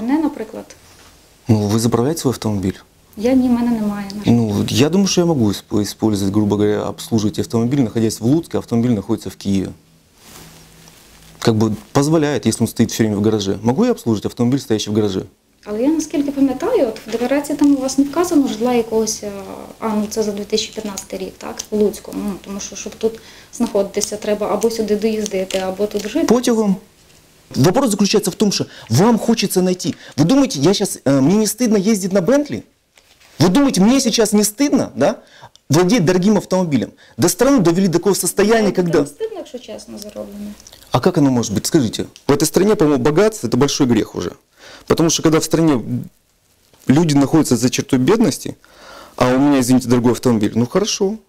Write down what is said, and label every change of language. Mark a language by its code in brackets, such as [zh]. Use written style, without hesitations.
[ru] Ну, больные, например. Ну, вы заправляете свой автомобиль? Я не, у меня немає. Ну, я думаю, что я могу использовать, грубо говоря, обслуживать автомобиль, находясь в Луцке, автомобиль находится в Киеве. Как бы позволяет, если он стоит все время в гараже. Могу я обслужить автомобиль, стоящий в гараже? [uk] Але я, наскільки пам'ятаю, от в декларації там у вас не вказано житла якогось, ну це за 2015 рік, так, в Луцьку. Ну, тому що, щоб тут знаходитися, треба або сюди доїздити, або тут жити. Потягом. Вопрос заключається в тому, що вам хочеться знайти. Ви думаєте, я зараз, мені не стидно їздити на Бентлі? Ви думаєте, мені зараз не стидно, да? [ru] Владеть дорогим автомобилем. До страны довели до такого состояния, это когда... Это стыдно, если честно, зароблено. А как оно может быть? Скажите. В этой стране, по-моему, богатство – это большой грех уже. Потому что когда в стране люди находятся за чертой бедности, а у меня, извините, дорогой автомобиль, ну хорошо.